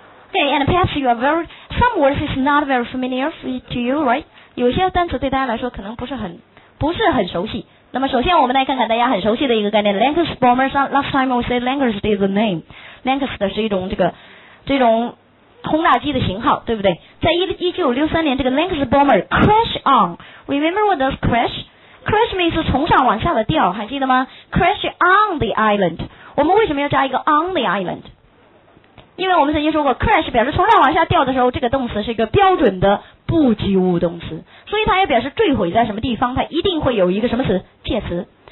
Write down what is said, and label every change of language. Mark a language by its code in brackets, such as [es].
[en] Okay, and perhaps you are very, some words is not very familiar to you, right? [zh] 有些单词对大家来说可能不是很熟悉。那么首先我们来看看大家很熟悉的一个概念 Lancaster bomber. [en] Last time we said Lancaster is the name. [zh] Lancaster 是一种这种轰炸机的型号，对不对？在1963年，这个 [en] Lancaster bomber crash on. Remember what does crash? Crash means [zh] 从上往下的掉，还记得吗？ [en] Crash on the island. [zh] 我们为什么要加一个 [en] on the island? [zh] 因为我们曾经说过 crash 表示从上往下掉的时候，这个动词是一个标准的不及物动词，所以它也表示坠毁在什么地方，它一定会有一个什么词，介词。